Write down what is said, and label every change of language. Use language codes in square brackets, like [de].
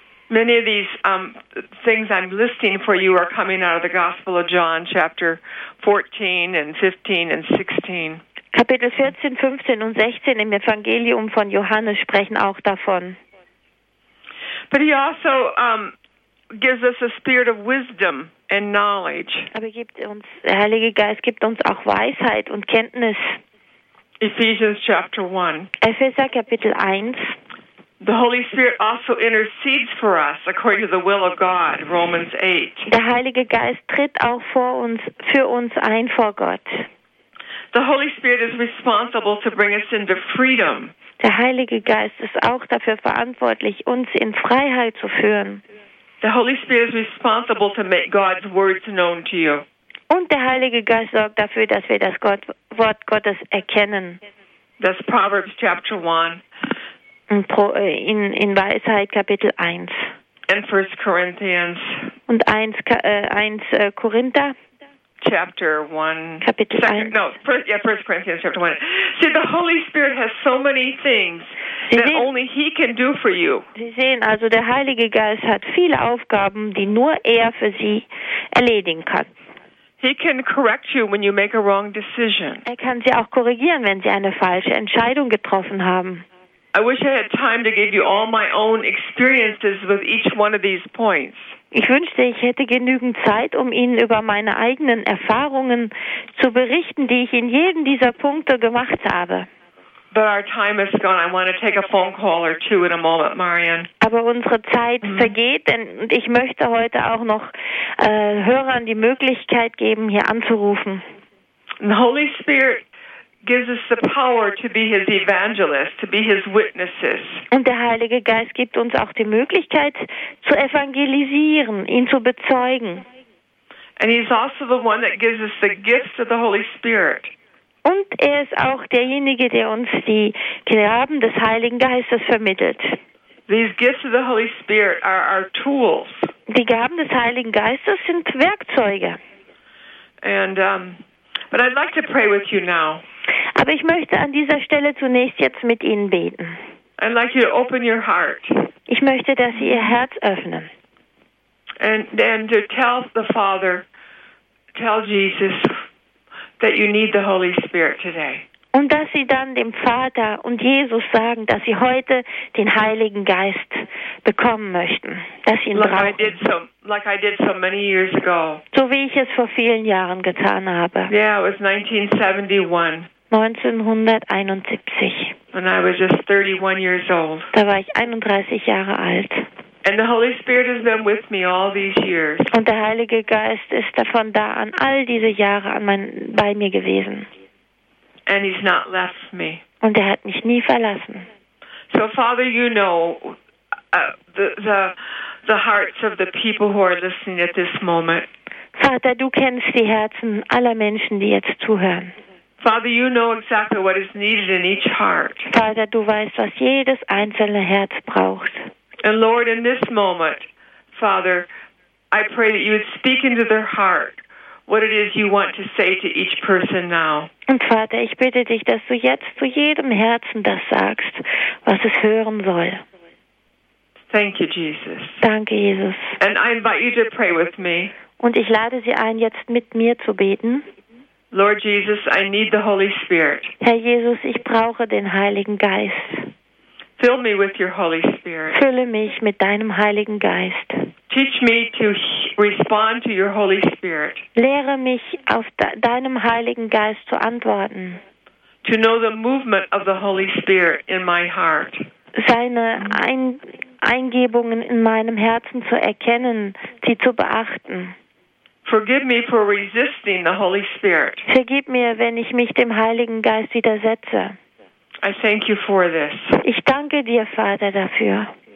[en] Many of these things I'm listing for you are coming out of the Gospel of John, chapter 14 and 15 and 16. [de] Kapitel 14, 15 und 16 im Evangelium von Johannes sprechen auch davon. [en] But he also gives us a spirit of wisdom and knowledge. [de] Aber gibt uns, der Heilige Geist gibt uns auch Weisheit und Kenntnis. [en] Ephesians chapter 1. [de] Epheser Kapitel 1. [en] The Holy Spirit also intercedes for us according to the will of God, Romans 8. [de] Der Heilige Geist tritt auch vor uns, für uns ein vor Gott. [en] The Holy Spirit is responsible to bring us into freedom. [de] Der Heilige Geist ist auch dafür verantwortlich, uns in Freiheit zu führen. [en] The Holy Spirit is responsible to make God's words known to you. [de] Und der Heilige Geist sorgt dafür, dass wir das Wort Gottes erkennen. [en] That's Proverbs chapter 1. [de] In Weisheit Kapitel 1. [en] And 1 Corinthians. [de] Und 1 Korinther. [en] Chapter 1. [de] Kapitel [en] 1. No, first, yeah, 1 Corinthians chapter 1. See, the Holy Spirit has so many things that only He can do for you. [de] Sie sehen, also der Heilige Geist hat viele Aufgaben, die nur er für Sie erledigen kann. [en] He can correct you when you make a wrong decision. [de] Er kann Sie auch korrigieren, wenn Sie eine falsche Entscheidung getroffen haben. [en] I wish I had time to give you all my own experiences with each one of these points. [de] Ich wünschte, ich hätte genügend Zeit, um Ihnen über meine eigenen Erfahrungen zu berichten, die ich in jedem dieser Punkte gemacht habe. [en] But our time is gone. I want to take a phone call or two in a moment, Marian. [de] Aber unsere Zeit vergeht, und ich möchte heute auch noch Hörern die Möglichkeit geben, hier anzurufen. [en] The Holy Spirit gives us the power to be His evangelists, to be His witnesses. [de] Und der Heilige Geist gibt uns auch die Möglichkeit zu evangelisieren, ihn zu bezeugen. [en] And He's also the one that gives us the gift of the Holy Spirit. [de] Und er ist auch derjenige, der uns die Gaben des Heiligen Geistes vermittelt. [en] These gifts of the Holy Spirit are our tools. [de] Die Gaben des Heiligen Geistes sind Werkzeuge. [en] And but I'd like to pray with you now. [de] Aber ich möchte an dieser Stelle zunächst jetzt mit Ihnen beten. [en] I'd like you to open your heart. [de] Ich möchte, dass Sie Ihr Herz öffnen. [en] And to tell the Father, tell Jesus that you need the Holy Spirit today. [de] Und dass Sie dann dem Vater und Jesus sagen, dass Sie heute den Heiligen Geist bekommen möchten, dass Sie ihn [en] like [de] brauchen. [en] I did so many years ago. [de] So wie ich es vor vielen Jahren getan habe. [en] Yeah, it was 1971. [de] 1971. [en] When I was just 31 years old. [de] Da war ich 31 Jahre alt. [en] And the Holy Spirit has been with me all these years. [de] Und der Heilige Geist ist davon da an all diese Jahre bei mir gewesen. [en] And He's not left me. [de] Und er hat mich nie verlassen. [en] So Father, you know the hearts of the people who are listening at this moment. [de] Vater, du kennst die Herzen aller Menschen, die jetzt zuhören. [en] Father, you know exactly what is needed in each heart. [de] Vater, du weißt, was jedes einzelne Herz braucht. [en] And Lord, in this moment, Father, I pray that you would speak into their heart what it is you want to say to each person now. [de] Und Vater, ich bitte dich, dass du jetzt zu jedem Herzen das sagst, was es hören soll. [en] Thank you, Jesus. [de] Danke, Jesus. [en] And I invite you to pray with me. [de] Und ich lade Sie ein, jetzt mit mir zu beten. [en] Lord Jesus, I need the Holy Spirit. [de] Herr Jesus, ich brauche den Heiligen Geist. [en] Fill me with your Holy Spirit. [de] Fülle mich mit deinem Heiligen Geist. [en] Teach me to respond to your Holy Spirit. [de] Lehre mich, auf deinem Heiligen Geist zu antworten. [en] To know the movement of the Holy Spirit in my heart. [de] Seine Eingebungen in meinem Herzen zu erkennen, sie zu beachten. [en] Forgive me for resisting the Holy Spirit. [de] Vergib mir, wenn ich mich dem Heiligen Geist widersetze. [en] I thank you for this. [de] Ich danke dir, Vater, dafür.